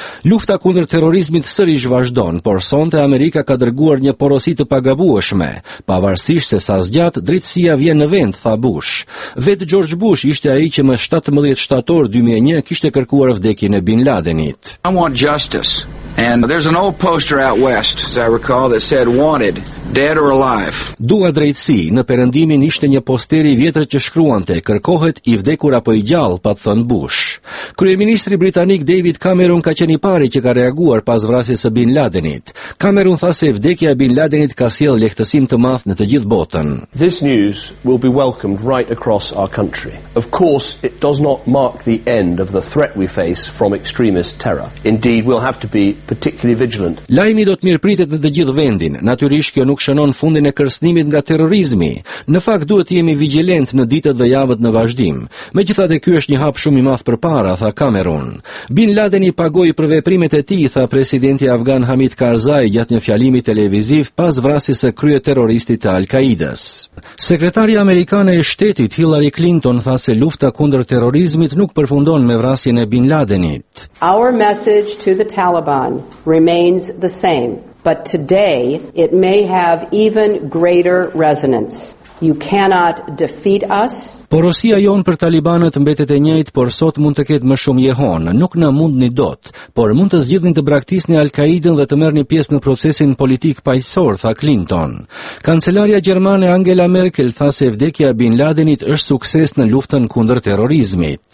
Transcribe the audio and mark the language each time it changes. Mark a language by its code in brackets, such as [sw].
[sq] Lufta kundër terrorizmit sërish vazhdon, por sonte Amerika ka dërguar një porosi të pagabueshme, pavarësisht se sa zgjat drejtësia vjen në vend, tha Bush. Vet George Bush ishte ai që më 17 shtator 2001 kishte kërkuar vdekjen e Bin Ladenit. [en] I want justice. And there's an old poster out west, as I recall, that said wanted, dead or alive. [sq] Dua drejtësi, në perëndimin ishte një posteri i vjetër që shkruante, kërkohet i vdekur apo i gjallë, pa thënë Bush. Kryeministri britanik David Cameron ka qenë i pari që ka reaguar pas vrasjes së Bin Ladenit. Cameron tha se vdekja e Bin Ladenit ka sjell lehtësim të madh në të gjithë botën. [en] This news will be welcomed right across our country. Of course, it does not mark the end of the threat we face from extremist terror. Indeed, we'll have to be particularly vigilant. [sq] Lajmi do të mirëpritet në të gjithë vendin. Natyrisht kjo nuk shënon fundin e kërcënimit nga terrorizmi. Në fakt duhet të jemi vigjilent në ditët dhe javët në vazhdim. Megjithatë, ky është një hap shumë i madh përpara, tha Cameron. Bin Laden i pagoi për veprimet e tij, tha presidenti afgan Hamid Karzai gjatë një fjalimi televiziv pas vrasjes së krye terroristit të Al-Qaidas. Sekretarja amerikane e Shtetit Hillary Clinton tha se lufta kundër terrorizmit nuk përfundon me vrasjen e Bin Ladenit. [en] Our message to the Taliban remains the same, but today it may have even greater resonance. You cannot defeat us. [sq] Porosia jon për talibanët mbetet e njëjtë, por sot mund të ketë më shumë jehon. Nuk na mundni dot, por mund të zgjidhni të braktisni Al-Qaidën dhe të merrni pjesë në procesin politik paqësor, tha Clinton. Kancelaria gjermane Angela Merkel tha se vdekja e Bin Ladenit është sukses në luftën kundër terrorizmit.